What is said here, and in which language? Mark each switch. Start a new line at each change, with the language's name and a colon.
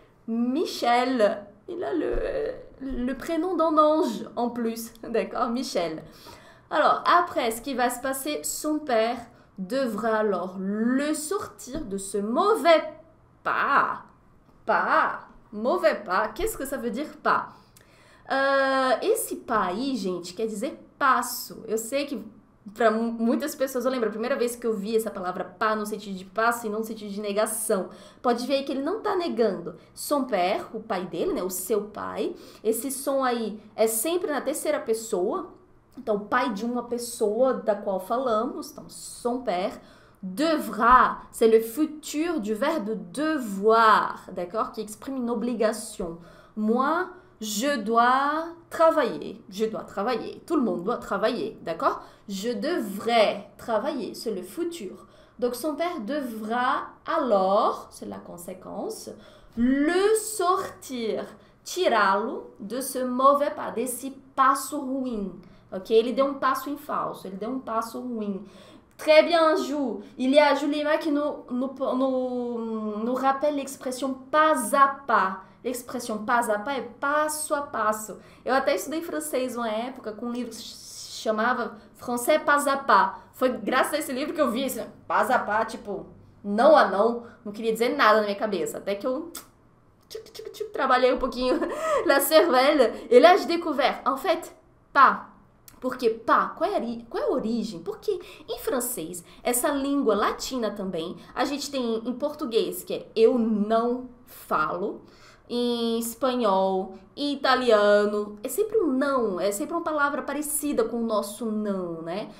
French: Michel, il a le prénom d'un ange en plus, d'accord, Michel. Alors, après, ce qui va se passer, son père devra alors le sortir de ce mauvais pas. Mauvais pas, qu'est-ce que ça veut dire pas?
Portuguese: Esse pas aí, gente, quer dizer passo. Eu sei que para muitas pessoas, eu lembro, a primeira vez que eu vi essa palavra pá no sentido de passo e não no sentido de negação. Pode ver aí que ele não tá negando.
French: Son père,
Portuguese: o pai dele, né? O seu pai. Esse som aí é sempre na terceira pessoa. Então, pai de uma pessoa da qual falamos. Então, son père.
French: Devra, c'est le futur du verbe devoir, d'accord? Qui exprime une obligation. Moi, je dois travailler. Je dois travailler. Tout le monde doit travailler, d'accord? Je devrais travailler. C'est le futur. Donc, son père devra alors, c'est la conséquence, le sortir,
Portuguese: tirá-lo
French: de ce mauvais pas, de ce passo ruim.
Portuguese: Ok? Il deu un passo em falso. Il deu un passo ruim.
French: Très bien,
Portuguese: Ju.
French: Il y a Julima qui nous rappelle l'expression pas à pas. L'expression pas à pas
Portuguese: é passo a passo. Eu até estudei francês uma época com um livro que se chamava Français pas à pas. Foi graças a esse livro que eu vi assim, pas à pas, tipo, não a não. Não queria dizer nada na minha cabeça. Até que eu... Tchuc, tchuc, tchuc. trabalhei um pouquinho
French: la cervelle. Et là, j'ai découvert, en fait, pas.
Portuguese: Porque pá, qual é a origem? Porque em francês, essa língua latina também, a gente tem em português, que é eu não falo, em espanhol, em italiano, é sempre um não, é sempre uma palavra parecida com o nosso não, né?